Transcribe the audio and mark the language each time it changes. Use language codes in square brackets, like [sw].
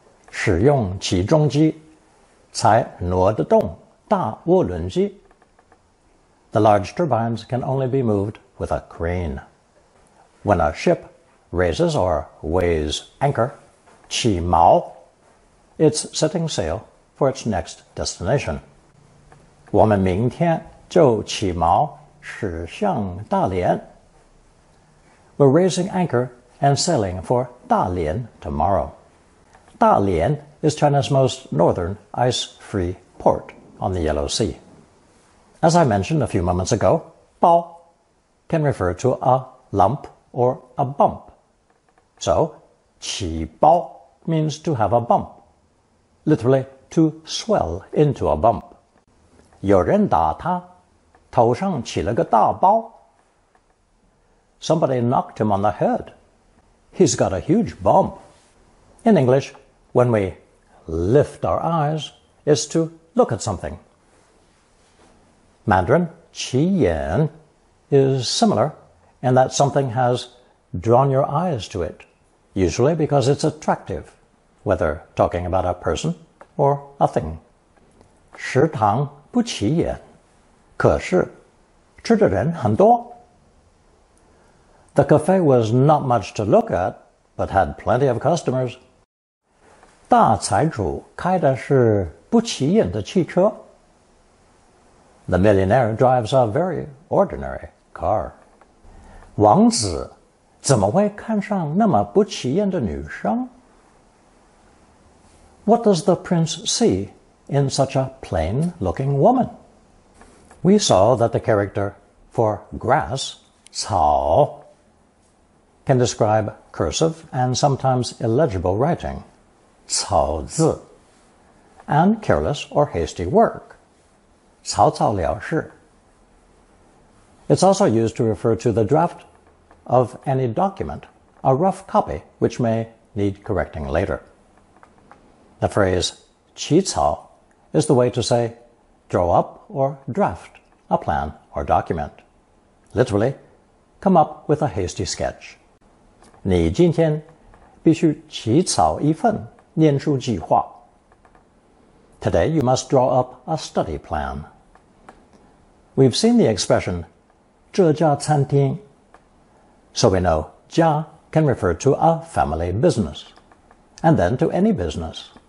[zh] 使用起重机才挪得动大涡轮机. [en] The large turbines can only be moved with a crane. When a ship raises or weighs anchor, 起锚, it's setting sail for its next destination. [zh] 我们明天就起锚驶向大连. [en] We're raising anchor and sailing for 大连 tomorrow. Dalian is China's most northern ice-free port on the Yellow Sea. As I mentioned a few moments ago, bao can refer to a lump or a bump. So, qi bao means to have a bump, literally to swell into a bump. [zh] 有人打他，头上起了个大包。 [en] Somebody knocked him on the head. He's got a huge bump. In English, when we lift our eyes, it's to look at something. Mandarin, 起眼 is similar in that something has drawn your eyes to it, usually because it's attractive, whether talking about a person or a thing. [zh] 食堂不起眼，可是吃的人很多。 [en] The cafe was not much to look at, but had plenty of customers. [zh] 大财主开的是不起眼的汽车。 [en] The millionaire drives a very ordinary car. [zh] 王子怎么会看上那么不起眼的女生？ [en] What does the prince see in such a plain-looking woman? We saw that the character for grass, 草,can describe cursive and sometimes illegible writing, 草字, and careless or hasty work, 草草了事. It's also used to refer to the draft of any document, a rough copy which may need correcting later. The phrase 起草 is the way to say draw up or draft a plan or document. Literally, come up with a hasty sketch. [zh] 你今天必须起草一份念书计划。 [en] Today you must draw up a study plan. We've seen the expression [zh] 这家餐厅。 [en] So we know 家 can refer to a family business, and then to any business.